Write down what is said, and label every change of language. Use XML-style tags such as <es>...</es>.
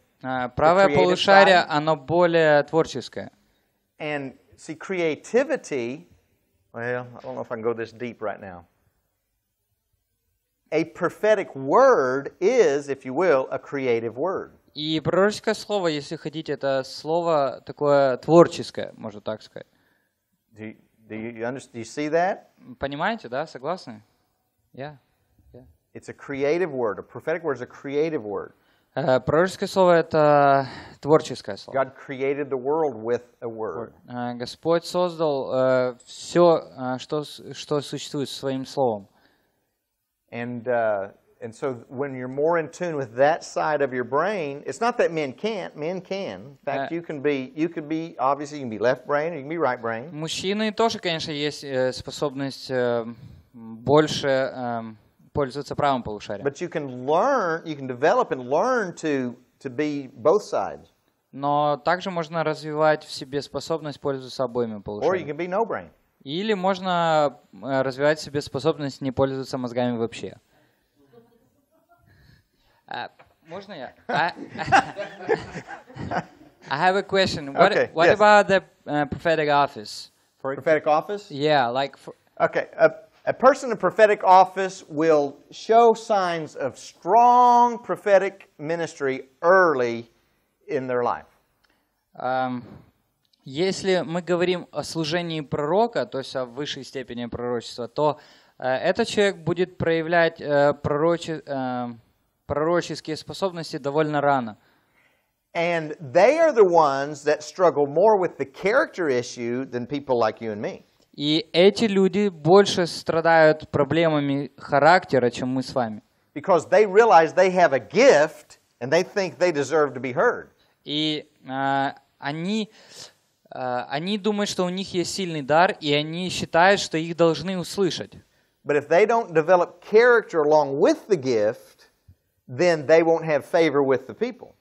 <ru>Правое полушарие, оно более творческое.</ru> <en>And see, creativity, well, I don't know if I can go this deep right now. A prophetic word is, if you will, a creative word.</en> <ru>И пророческое слово, если хотите, это слово такое творческое, можно так сказать.</ru> <en>Do you see that?</en> <ru>Понимаете, да? Согласны?</ru> <en>Yeah. It's a creative word. A prophetic word is a creative word.</en> <ru>Пророческое слово — это творческое слово.</ru> <en>God created the world with a word.</en> <ru>Господь создал все, что существует, своим словом.</ru> <en>And so when you're more in tune with that side of your brain, it's not that men can't. Men can. In fact, you can be obviously you can be left brain or you can be right brain.</en> <ru>Мужчины тоже, конечно, есть способность больше пользоваться правым полушарием.</ru> <en>But you can learn, you can develop and learn to be both sides.</en> <ru>Но также можно развивать в себе способность пользоваться обоими полушариями.</ru> <en>Or you can be no brain.</en> <ru>Или можно развивать в себе способность не пользоваться мозгами вообще. Можно я?</ru> <en>I have a question. What about the prophetic office? Prophetic office? Yeah, like... A person in prophetic office will show signs of strong prophetic ministry early in their life.</en> <ru>Если мы говорим о служении пророка, то есть о высшей степени пророчества, то этот человек будет проявлять пророческие способности довольно рано.</ru> <en>And they are the ones that struggle more with the character issue than people like you and me.</en> <ru>И эти люди больше страдают проблемами характера, чем мы с вами.</ru> <en>Because they realize they have a gift and they think they deserve to be heard.</en> <ru>И они думают, что у них есть сильный дар, и они считают, что их должны услышать.</ru> <en>But if they don't develop character along with the gift, then they won't have favor with the people.</en>